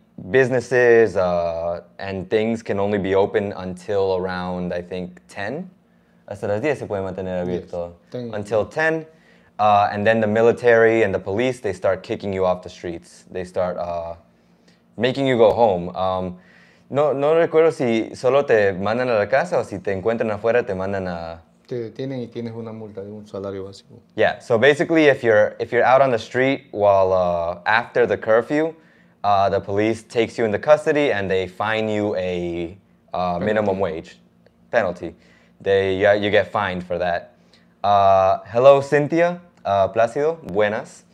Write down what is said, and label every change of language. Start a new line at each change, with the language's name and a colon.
English: Businesses and things can only be open until around, I think, 10.
Spanish: Hasta las 10 se puede mantener abierto.
English: Until 10. And then the military and the police, they start kicking you off the streets. They start making you go home.
Spanish: No recuerdo si solo te mandan a la casa o si te encuentran afuera, te mandan a... Te detienen y tienes una multa de un salario básico.
English: Yeah, so basically if you're out on the street while after the curfew, the police takes you into custody and they fine you a minimum wage penalty. You get fined for that. Hello, Cynthia Placido. Buenas.